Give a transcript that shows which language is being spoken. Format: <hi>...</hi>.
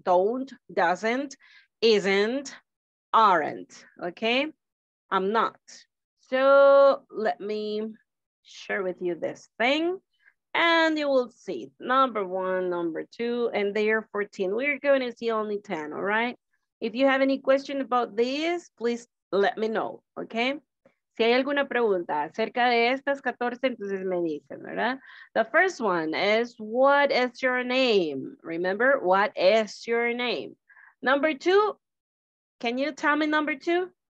<en>Don't, doesn't, isn't, aren't, okay? I'm not. So let me share with you this thing and you will see number one, number two, and they are 14. We're going to see only 10, all right? If you have any question about this, please let me know, okay?</en> <es>si hay alguna pregunta acerca de estas 14, entonces me dicen, ¿verdad?</es> <en>The first one is, what is your name? Remember, what is your name? Number two, can you tell me number two?</en>